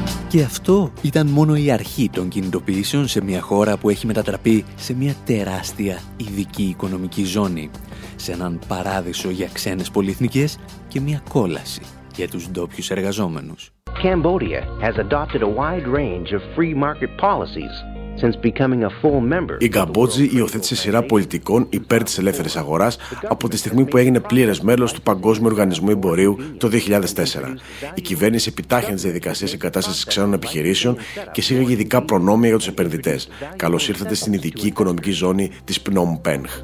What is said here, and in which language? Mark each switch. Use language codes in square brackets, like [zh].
[el] Και αυτό ήταν μόνο η αρχή των κινητοποιήσεων σε μια χώρα που έχει μετατραπεί σε μια τεράστια ειδική οικονομική ζώνη. Σε έναν παράδεισο για ξένες πολυεθνικές και μια κόλαση για τους ντόπιους εργαζόμενους. [en] Cambodia has adopted a wide range of free market policies since becoming a full member. [el] Η Καμπότζη υιοθέτησε σειρά πολιτικών υπέρ της ελεύθερης αγοράς από τη στιγμή που έγινε πλήρες μέλος του Παγκόσμιου Οργανισμού Εμπορίου το 2004. Η κυβέρνηση επιτάχυνε τις διαδικασίες εγκατάστασης ξένων επιχειρήσεων και εισήγαγε ειδικά προνόμια για τους επενδυτές. Καλώς ήρθατε στην ειδική οικονομική ζώνη της Phnom Penh.